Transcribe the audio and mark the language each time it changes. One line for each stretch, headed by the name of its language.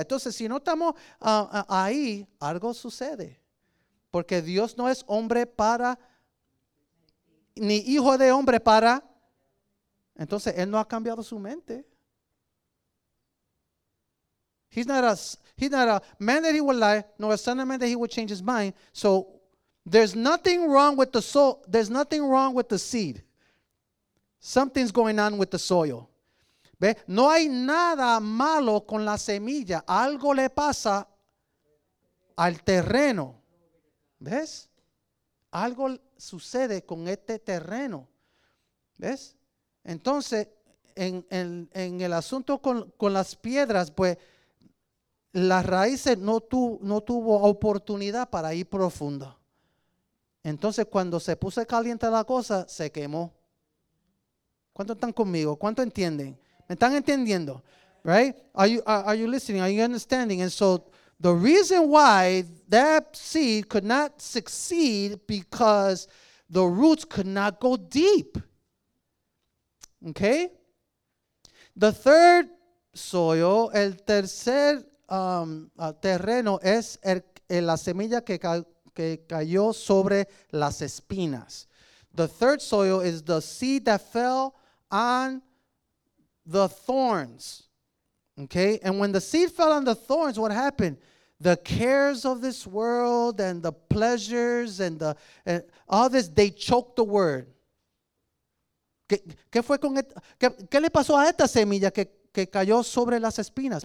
Spanish: Entonces, si no estamos ahí, algo sucede. Porque Dios no es hombre para, ni hijo de hombre para. Entonces, Él no ha cambiado su mente.
English: He's not a man that he will lie, nor a son of man that he will change his mind. So, there's nothing wrong with the soil. There's nothing wrong with the seed. Something's going on with the soil.
Spanish: ¿Ve? No hay nada malo con la semilla. Algo le pasa al terreno. ¿Ves? Algo sucede con este terreno. ¿Ves? Entonces, en el asunto con las piedras, pues, las raíces no tuvo oportunidad para ir profunda. Entonces, cuando se puso caliente la cosa, se quemó. ¿Cuántos están conmigo? ¿Cuánto entienden? ¿Me están entendiendo?
English: Right? Are you listening? Are you understanding? And so, the reason why that seed could not succeed because the roots could not go deep. Okay? The third soil,
Spanish: el tercer terreno es la semilla que cayó sobre las espinas.
English: The third soil is the seed that fell on the thorns. Okay? And when the seed fell on the thorns, what happened? The cares of this world and the pleasures and the and all this, they choked the word.
Spanish: ¿Qué le pasó a esta semilla que cayó sobre las espinas?